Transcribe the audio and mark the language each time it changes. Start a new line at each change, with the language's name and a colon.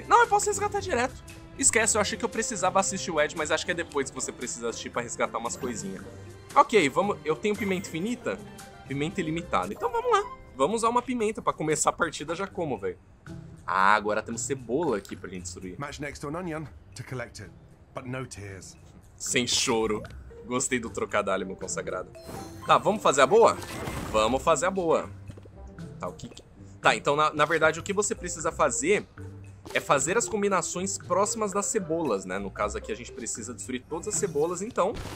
Portuguese: Não, eu posso resgatar direto. Esquece, eu achei que eu precisava assistir o Ed, mas acho que é depois que você precisa assistir pra resgatar umas coisinhas. Ok, vamos... Eu tenho pimenta infinita? Pimenta ilimitada. Então vamos lá. Vamos usar uma pimenta pra começar a partida já como, velho. Ah, agora temos cebola aqui pra gente destruir.
English: Match next to an onion to collect it, but no tears.
Portuguese: Sem choro. Gostei do trocadilho, meu consagrado. Tá, vamos fazer a boa? Vamos fazer a boa. Tá, o que... Tá, então, na verdade, o que você precisa fazer é fazer as combinações próximas das cebolas, né? No caso aqui, a gente precisa destruir todas as cebolas, então...